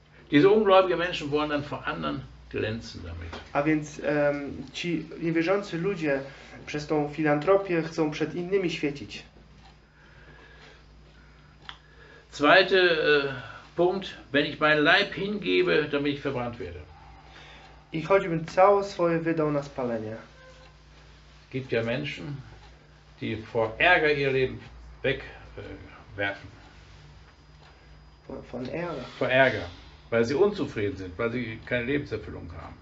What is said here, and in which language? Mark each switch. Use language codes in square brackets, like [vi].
[de] Diese ungläubige Menschen wollen dann vor anderen glänzen damit. [pl] A więc ci niewierzący ludzie przez tą filantropię chcą przed innymi świecić. [de] Zweite Punkt, wenn ich mein Leib hingebe, damit ich verbrannt werde. [pl] I choćbym całe swoje wydał na spalenie. [de] Es gibt ja Menschen, die vor Ärger ihr Leben wegwerfen. Von Ärger. Vor Ärger, weil sie unzufrieden sind, weil sie keine Lebenserfüllung haben.